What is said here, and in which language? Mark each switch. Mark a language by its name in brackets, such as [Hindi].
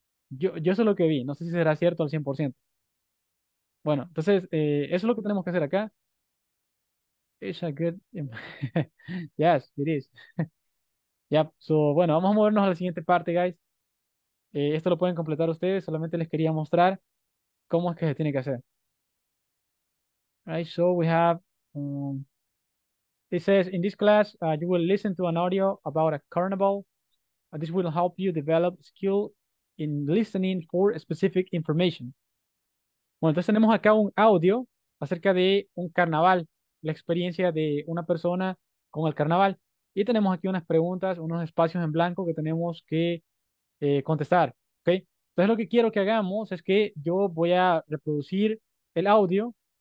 [Spanish] Yo eso es lo que vi, no sé si será cierto al 100%. Bueno, entonces, eso es lo que tenemos que hacer acá. It's a good. Yes, it is. Yep, so, bueno, vamos a movernos a la siguiente parte, guys. Esto lo pueden completar ustedes, solamente les quería mostrar cómo es que se tiene que hacer. [English] Right, so we have. It says, in this class, you will listen to an audio about a carnival. This will help you develop skill in listening for specific information. [Spanish] Bueno, entonces tenemos acá un audio acerca de un carnaval, la experiencia de una persona con el carnaval. Y tenemos aquí unas preguntas, unos espacios en blanco que tenemos que contestar. ¿Okay? Entonces lo que quiero que hagamos es que yo voy a reproducir el audio.